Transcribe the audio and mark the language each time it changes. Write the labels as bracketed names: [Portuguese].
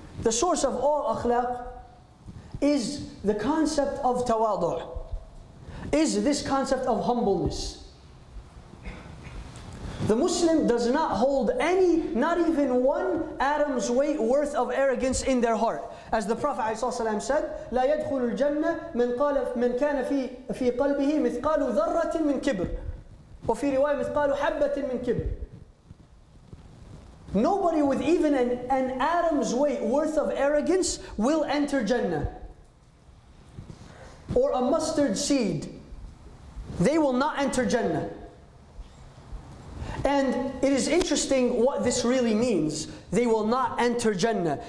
[English] The source of all akhlaq is the concept of tawadu', is this concept of humbleness. The Muslim does not hold any, not even one atom's weight worth of arrogance in their heart. As the Prophet ﷺ said, [Arabic] لا يدخل الجنة من قال من كان في قلبه مثقال ذرة من كبر وفي رواية مثقال حبة من كبر. [English] Nobody with even an atom's weight worth of arrogance will enter Jannah. Or a mustard seed, they will not enter Jannah. And it is interesting what this really means. They will not enter Jannah.